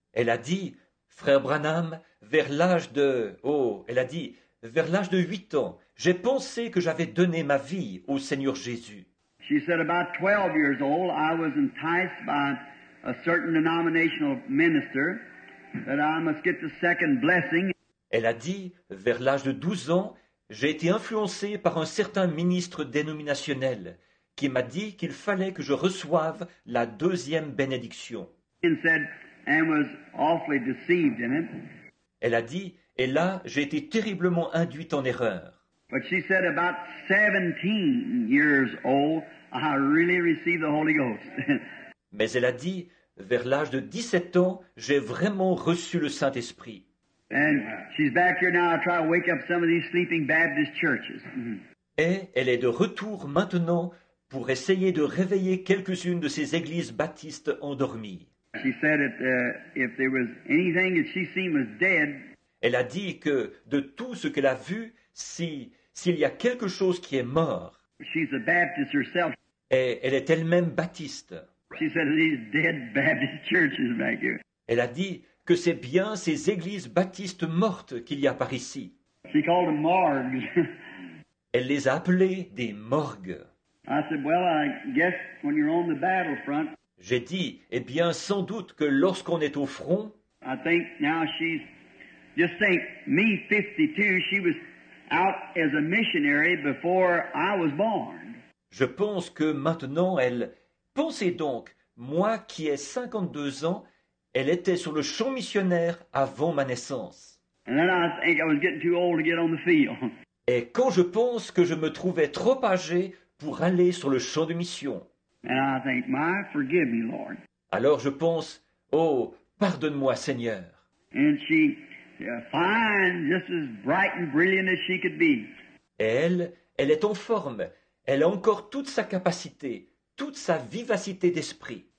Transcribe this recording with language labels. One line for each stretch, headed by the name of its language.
French: Elle a dit, Frère Branham, vers l'âge de 8 ans, j'ai pensé que j'avais donné ma vie au Seigneur Jésus.
English: She said, about 12 years old, I was enticed by a certain denominational minister that I must get the second blessing.
French: Elle a dit, vers l'âge de 12 ans, j'ai été influencé par un certain ministre dénominationnel qui m'a dit qu'il fallait que je reçoive la deuxième bénédiction.
English: And was awfully deceived in it.
French: Elle a dit, et là, j'ai été terriblement induite en erreur.
English: But she said, about 17 years old, I really received the Holy Ghost.
French: Mais elle a dit, vers l'âge de 17 ans, j'ai vraiment reçu le Saint-Esprit.
English: And she's back here now, I try to wake up some of these sleeping Baptist churches.
French: Et elle est de retour maintenant pour essayer de réveiller quelques-unes de ces églises baptistes endormies.
English: She said that if there was anything that she seen was dead.
French: Elle a dit que de tout ce qu'elle a vu, s'il y a quelque chose qui est mort.
English: She's a Baptist herself.
French: Et elle est elle-même baptiste.
English: She said these dead Baptist churches back here.
French: Elle a dit que c'est bien ces églises baptistes mortes qu'il y a par ici.
English: She called them morgues.
French: Elle les a appelées des morgues.
English: I said, well, I guess when you're on the battlefront.
French: J'ai dit, eh bien, sans doute que lorsqu'on est au front,
English: I think now she's, just think, me 52, she was out as a missionary before I was born.
French: Je pense que maintenant, elle, pensez donc, moi qui ai 52 ans, elle était sur le champ missionnaire avant ma naissance.
English: And then I think I was getting too old to get on the field.
French: Et quand je pense que je me trouvais trop âgé pour aller sur le champ de mission,
English: and I think, my, forgive me, Lord.
French: Alors je pense, oh, pardonne-moi, Seigneur.
English: And she, fine, just as bright and brilliant as she could be.
French: Et elle est en forme. Elle a encore toute sa capacité, toute sa vivacité d'esprit.